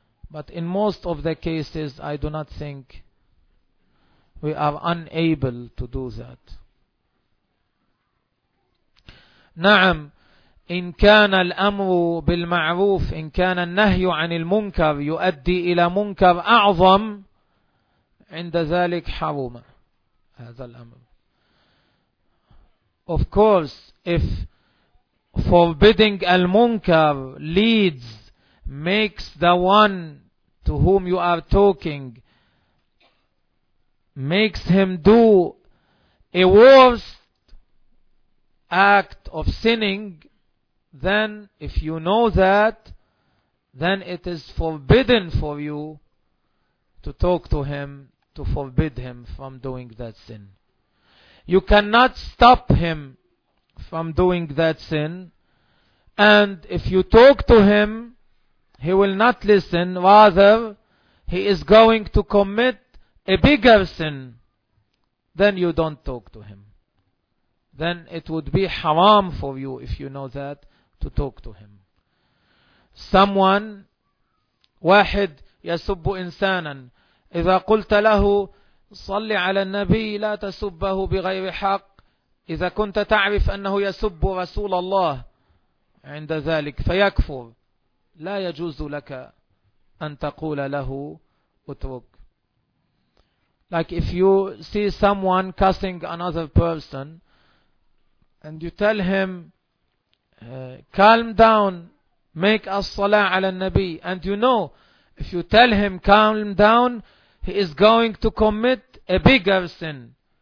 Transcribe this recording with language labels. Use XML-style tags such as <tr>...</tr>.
<en>But in most of the cases, I do not think we are unable to do that.</en> <ar>نعم إن كان الأمر بالمعروف إن كان النهي عن المنكر يؤدي إلى منكر أعظم عند ذلك حرم هذا الأمر.</ar> <en>Of course, if forbidding al-munkar makes the one to whom you are talking, makes him do a worst act of sinning, then if you know that, then it is forbidden for you to talk to him, to forbid him from doing that sin. You cannot stop him from doing that sin, and if you talk to him, he will not listen, rather he is going to commit a bigger sin. Then you don't talk to him. Then it would be haram for you, if you know that, to talk to him. Someone,</en> <ar>واحد يسب إنسانا إذا قلت له صل على النبي لا تسبه بغير حق إذا كنت تعرف أنه يسب رسول الله عند ذلك فيكفر لا يجوز لك أن تقول له اترك.</ar> <en>Like if you see someone cussing another person and you tell him calm down, make us salah ala nabi, and you know if you tell him calm down, he is going to commit a bigger sin.</en>